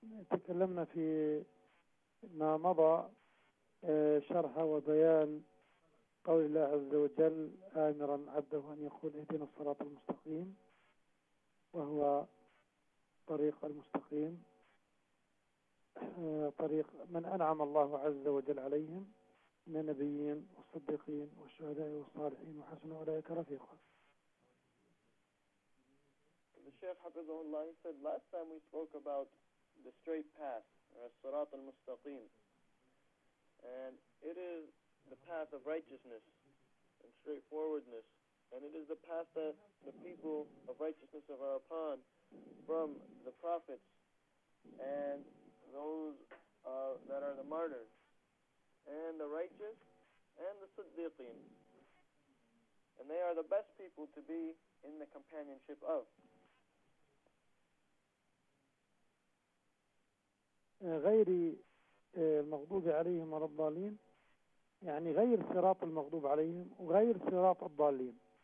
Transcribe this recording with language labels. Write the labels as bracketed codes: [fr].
[ar] تكلمنا في ما مضى شرح وبيان قول الله عز وجل آمرا عبده أن يقول اهدنا الصراط المستقيم، وهو طريق المستقيم، طريق من أنعم الله عز وجل عليهم من النبيين والصديقين والشهداء والصالحين وحسن أولئك رفيقا. [en] The Shaykh [ar] حفظه الله [en] said last time we spoke about the straight path or [ar] الصراط المستقيم [en] and it is the path of righteousness and straightforwardness. And it is the path that the people of righteousness are upon from the prophets and those that are the martyrs and the righteous and the siddiqeen. And they are the best people to be in the companionship of. [ar] غير المغضوب عليهم والضالين، يعني غير صراط المغضوب عليهم وغير صراط الضالين.